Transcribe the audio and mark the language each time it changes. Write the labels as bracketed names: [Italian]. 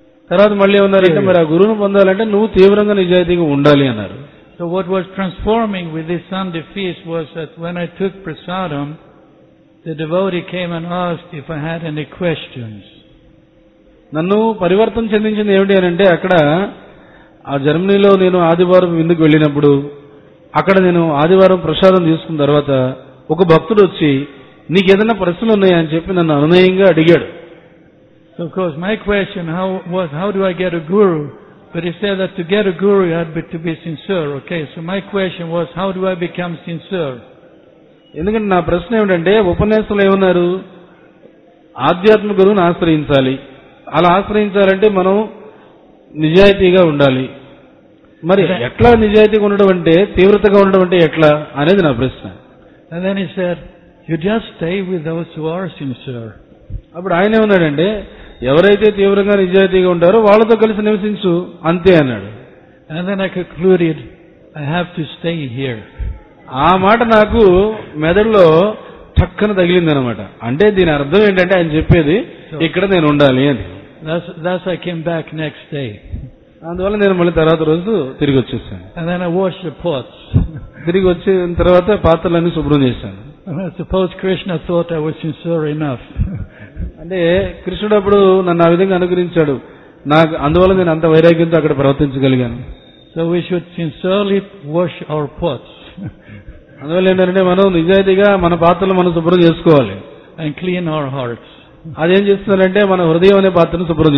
[Telugu] తర్వాత మళ్ళీ ఉన్నారు, మరి ఆ గురువును పొందాలంటే నువ్వు తీవ్రంగా నిజాయితీగా ఉండాలి అన్నారు. [English] So what was transforming with this Sunday feast was that when I took prasadam, the devotee came and asked if I had any questions. [Telugu] నన్ను పరివర్తన చెందించింది ఏమిటి అంటే, అక్కడ ఆ జర్మనీలో నేను ఆదివారం విందుకు వెళ్ళినప్పుడు అక్కడ నేను ఆదివారం ప్రసాదం తీసుకున్న తర్వాత ఒక భక్తుడు వచ్చి నీకేదన్నా ప్రశ్నలు ఉన్నాయని చెప్పి నన్ను అనునయంగా అడిగాడు. [English] Of course my question was how do I get a guru, but he said that to get a guru you have to be sincere. Okay, so my question was how do I become sincere. [Telugu] ఎందుకంటే నా ప్రశ్న ఏమిటంటే ఉపన్యాసంలో ఏమన్నారు, ఆధ్యాత్మిక గురువుని ఆశ్రయించాలి, అలా ఆశ్రయించాలంటే మనం నిజాయితీగా ఉండాలి. మరి ఎట్లా నిజాయితీగా ఉండడం అంటే తీవ్రతగా ఉండడం అంటే ఎట్లా అనేది నా ప్రశ్న. [English] And then he said, you just stay with those who are sincere. [Telugu] అప్పుడు ఆయన ఏమన్నాడంటే, ఎవరైతే తీవ్రంగా నిజాయితీగా ఉంటారో వాళ్లతో కలిసి నివసించు అంతే అన్నాడు. [English] And then I concluded, I have to stay here. [Telugu] ఆ మాట నాకు మెదడులో చక్కన తగిలింది అన్నమాట. అంటే దీని అర్థం ఏంటంటే ఆయన చెప్పేది ఇక్కడ నేను ఉండాలి అని. [English] That's I came back next day. [Telugu] అందువల్ల నేను మళ్ళీ తర్వాత రోజు తిరిగి వచ్చేసాను. [English] And then I washed the pots. [Telugu] తిరిగి వచ్చిన తర్వాత పాత్రలన్నీ శుభ్రం చేశాను. [English] I suppose Krishna thought I was sincere enough. [Telugu] అంటే కృష్ణుడు అప్పుడు నన్ను ఆ విధంగా అనుగ్రహించాడు, నాకు అందువల్ల నేను అంత వైరాగ్యంతో అక్కడ ప్రవర్తించగలిగాను. [English] So we should sincerely wash our pots. [Telugu] అందువల్ల ఏంటంటే మనం నిజాయితీగా మన పాత్రలు మనం శుభ్రం చేసుకోవాలి. [English] And clean our hearts. [Telugu] అదేం చేస్తుందంటే మన హృదయం అనే పాత్రను శుభ్రం